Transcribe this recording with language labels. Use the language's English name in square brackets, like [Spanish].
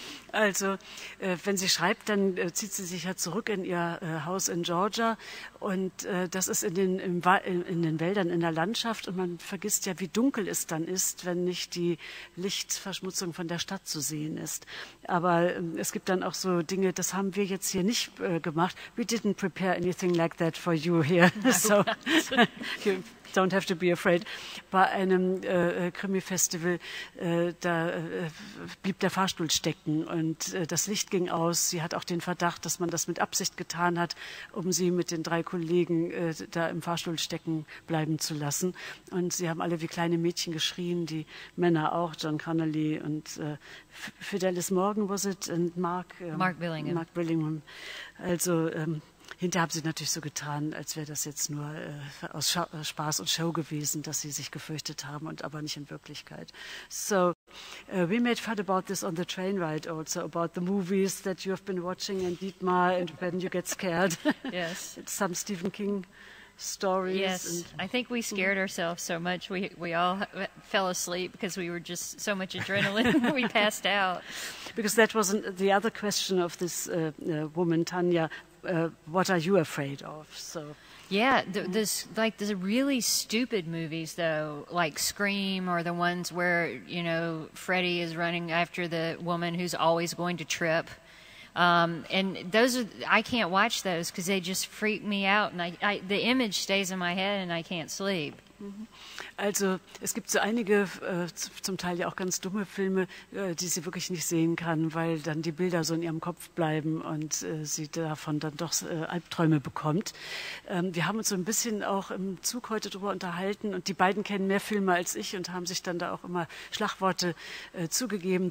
[German] Also, wenn sie schreibt, dann zieht sie sich ja zurück in ihr Haus in Georgia und das ist in den Wäldern, in der Landschaft und man vergisst ja, wie dunkel es dann ist, wenn nicht die Lichtverschmutzung von der Stadt zu sehen ist. Aber es gibt dann auch so Dinge, das haben wir jetzt hier nicht gemacht. [English] We didn't prepare anything like that for you here. So, don't have to be afraid. [German] Bei einem Krimi-Festival, da blieb der Fahrstuhl stecken und das Licht ging aus. Sie hat auch den Verdacht, dass man das mit Absicht getan hat, um sie mit den drei Kollegen da im Fahrstuhl stecken bleiben zu lassen. Und sie haben alle wie kleine Mädchen geschrien, die Männer auch, John Connolly und Fidelis Morgan, [English] was it? [German] Und Mark Billingham. Mark Billingham. Also, hinterher haben sie natürlich so getan, als wäre das jetzt nur aus Spaß und Show gewesen, dass sie sich gefürchtet haben und aber nicht in Wirklichkeit. [English] So, we made fun about this on the train ride also, about the movies that you have been watching and Dietmar and when you get scared. Yes. Some Stephen King stories. Yes, and I think we scared ourselves so much we all fell asleep because we were just so much adrenaline we passed out. Because that wasn't the other question of this woman, Tanya. What are you afraid of? So, yeah, the really stupid movies, though, like Scream or the ones where, you know, Freddy is running after the woman who's always going to trip. And those are, I can't watch those because they just freak me out. And I the image stays in my head and I can't sleep. [German] Also es gibt so einige, zum Teil ja auch ganz dumme Filme, die sie wirklich nicht sehen kann, weil dann die Bilder so in ihrem Kopf bleiben und sie davon dann doch Albträume bekommt. Wir haben uns so ein bisschen auch im Zug heute drüber unterhalten und die beiden kennen mehr Filme als ich und haben sich dann da auch immer Schlagworte zugegeben.